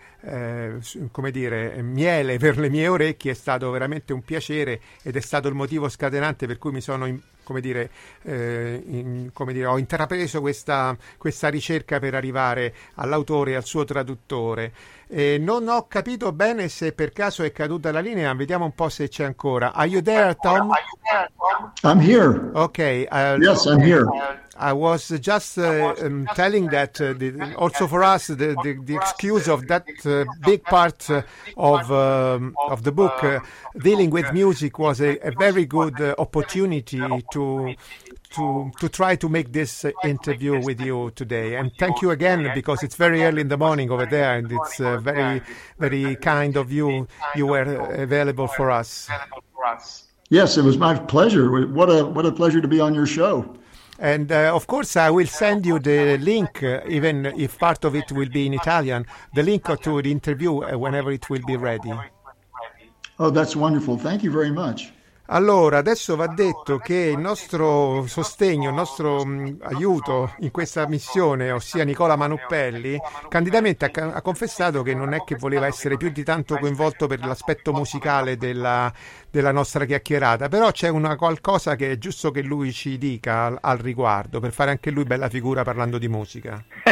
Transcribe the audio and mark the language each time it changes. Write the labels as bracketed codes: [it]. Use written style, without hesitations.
[it] come dire, miele per le mie orecchie, è stato veramente un piacere ed è stato il motivo scatenante per cui mi sono ho intrapreso questa ricerca per arrivare all'autore e al suo traduttore. E non ho capito bene se per caso è caduta la linea, vediamo un po' se c'è ancora. [en] Are you there, Tom? I'm here. Okay. Yes, I'm here. I was just telling that also for us the excuse of that big part of the book dealing with music was a very good opportunity to try to make this interview with you today. And thank you again, because it's very early in the morning over there, and it's very, very kind of you. You were available for us. Yes, it was my pleasure. What a pleasure to be on your show. And of course, I will send you the link, even if part of it will be in Italian, the link to the interview whenever it will be ready. Oh, that's wonderful. Thank you very much. [it] Allora, adesso va detto che il nostro sostegno, il nostro aiuto in questa missione, ossia Nicola Manuppelli, candidamente ha confessato che non è che voleva essere più di tanto coinvolto per l'aspetto musicale della nostra chiacchierata, però c'è una qualcosa che è giusto che lui ci dica al riguardo, per fare anche lui bella figura parlando di musica.